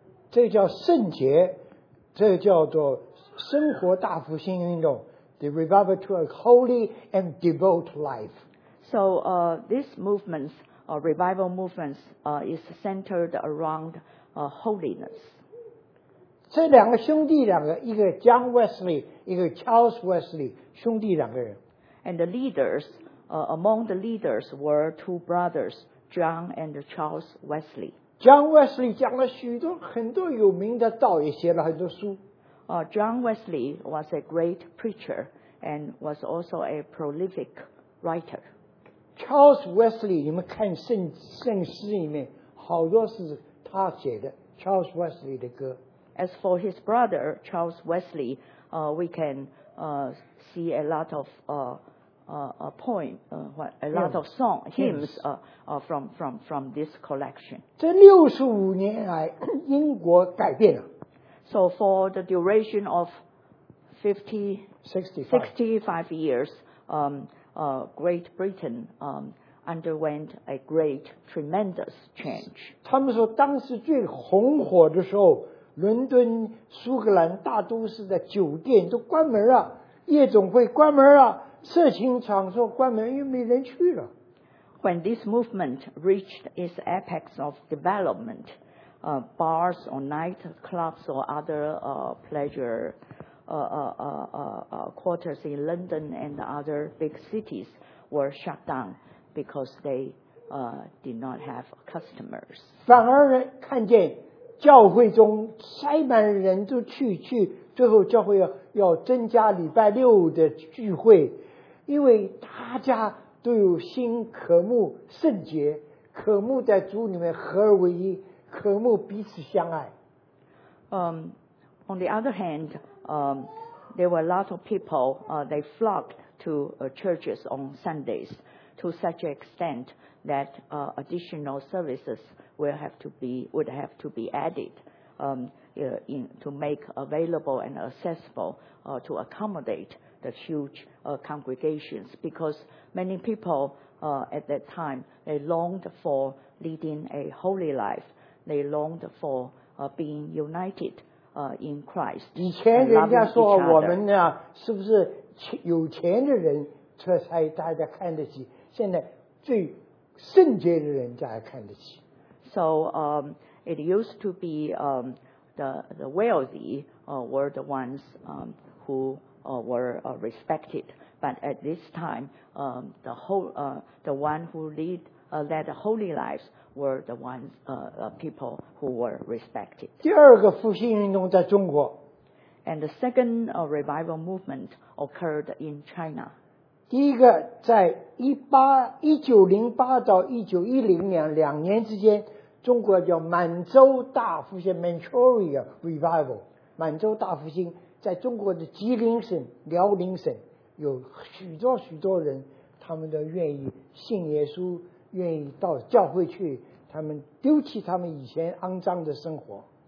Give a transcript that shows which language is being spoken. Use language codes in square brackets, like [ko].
[zh] 这叫圣洁，这叫做生活大复兴运动。 [en] The revival to a holy and devout life. So this movement, revival movements, is centered around holiness. [zh] 这两个兄弟两个，一个 John Wesley, 一个 Charles Wesley, 兄弟两个人。 [en] And the leaders, among the leaders were two brothers, John and Charles Wesley. [zh] John Wesley 讲了许多很多有名的道，也写了很多书。 [en] John Wesley was a great preacher and was also a prolific writer. [zh] Charles Wesley, 你们看圣诗里面好多是他写的 Charles Wesley 的歌。 [en] As for his brother Charles Wesley, we can see a lot of hymns from this collection. [zh] 这六十五年来，英国改变了。 [en] So for the duration of 65 years, Great Britain underwent a great, tremendous change. [zh] 他们说当时最红火的时候，伦敦苏格兰大都市的酒店都关门了，夜总会关门了，色情场所关门，因为没人去了。 [en] When this movement reached its apex of development, bars or night clubs or other pleasure quarters in London and other big cities were shut down because they did not have customers. [zh] 反而看见教会中塞满人都去，最后教会要增加礼拜六的聚会，因为大家都有心渴慕圣洁，渴慕在主里面合而为一，渴慕彼此相爱。 [en] On the other hand, there were a lot of people, they flocked to churches on Sundays to such an extent that additional services would have to be added to make available and accessible to accommodate the huge congregations, because many people at that time, they longed for leading a holy life. They longed for being united in Christ. [zh] 以前人家说我们呢，是不是有钱的人才大家看得起？现在最圣洁的人家还看得起。 [en] So it used to be the wealthy were the ones who were respected. But at this time, led holy lives were the ones people who were respected. [zh] 第二个复兴运动在中国。 [en] And the second revival movement occurred in China. [zh] 第一个在1908到1910年两年之间，中国叫满洲大复兴 Manchuria Revival， 满洲大复兴在中国的吉林省、辽宁省有许多许多人，他们都愿意信耶稣，愿意到教会去，他们丢弃他们以前肮脏的生活。